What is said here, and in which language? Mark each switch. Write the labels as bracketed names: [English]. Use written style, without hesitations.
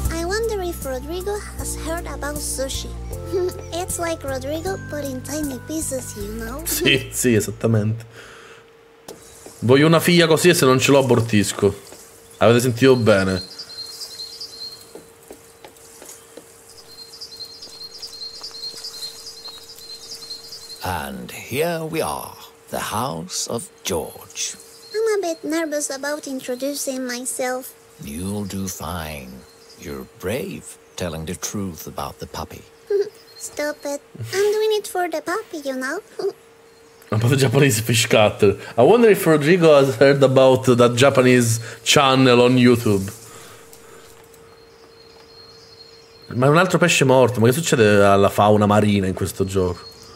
[English] I wonder if Rodrigo has heard about sushi. It's like Rodrigo but in tiny pieces, you know? [Italian] Sì, sì, esattamente. Voglio una figlia così e se non ce l'ho abortisco. Avete sentito bene? [English] And here we are, the house of George. I'm a bit nervous about introducing myself. You'll do fine. You're brave telling the truth about the puppy. Stop it. I'm doing it for the puppy, you know. About the Japanese fish cutter. I wonder if Rodrigo has heard about that Japanese channel on YouTube. [Italian] Ma è un altro pesce morto. Ma che succede alla fauna marina in questo gioco?